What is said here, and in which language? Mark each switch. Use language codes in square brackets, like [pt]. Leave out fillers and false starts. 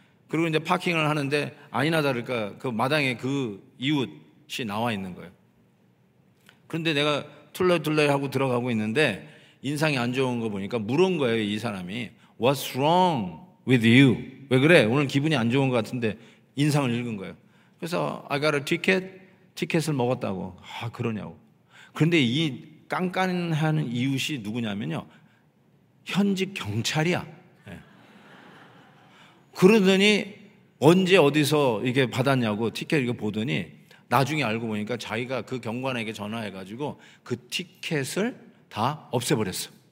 [ko] 그리고 이제 파킹을 하는데 아니나 다를까 그 마당에 그 이웃이 나와 있는 거예요. 그런데 내가 툴레툴레 하고 들어가고 있는데 인상이 안 좋은 거 보니까 물은 거예요, 이 사람이. [en] What's wrong with you? [ko] 왜 그래? 오늘 기분이 안 좋은 것 같은데 인상을 읽은 거예요. 그래서 [en] I got a ticket, [ko] 티켓을 먹었다고. 아, 그러냐고. 그런데 이 깐깐한 이웃이 누구냐면요, 현직 경찰이야. 네. 그러더니 언제 어디서 이게 받았냐고 티켓 이거 보더니 나중에 알고 보니까 자기가 그 경관에게 전화해가지고 그 티켓을 다 없애버렸어.